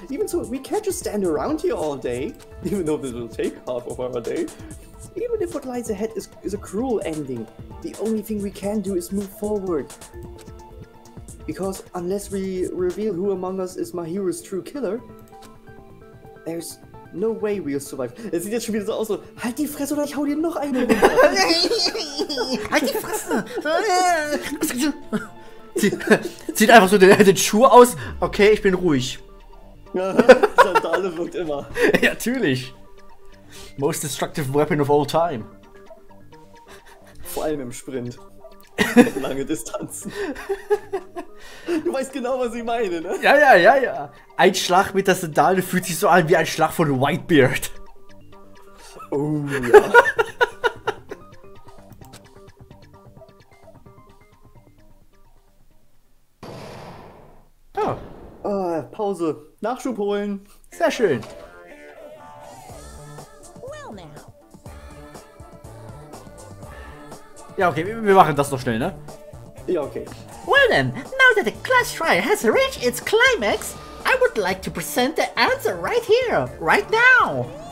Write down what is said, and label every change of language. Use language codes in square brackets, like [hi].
[en] Even so, we can't just stand around here all day, even though this will take half of our day. Even if what lies ahead is a cruel ending, the only thing we can do is move forward. Because unless we reveal who among us is Mahiru's true killer, there's no way we'll survive. [de] Es sieht jetzt schon wieder so aus, so, halt die Fresse oder ich hau dir noch eine runter. Halt die Fresse! Zieht einfach so den Schuh aus. Okay, ich bin ruhig. Sandale wirkt immer. Ja, natürlich. [en] Most destructive weapon of all time. [de] Vor allem im Sprint. Lange Distanz. Du weißt genau, was ich meine, ne? Ja. Ein Schlag mit der Sandale fühlt sich so an wie ein Schlag von Whitebeard. Oh, ja. Pause. Nachschub holen. Sehr schön. Ja, okay, wir machen das noch schnell, ne? Ja, okay. [en] Well then, now that the class trial has reached its climax, I would like to present the answer right here, right now!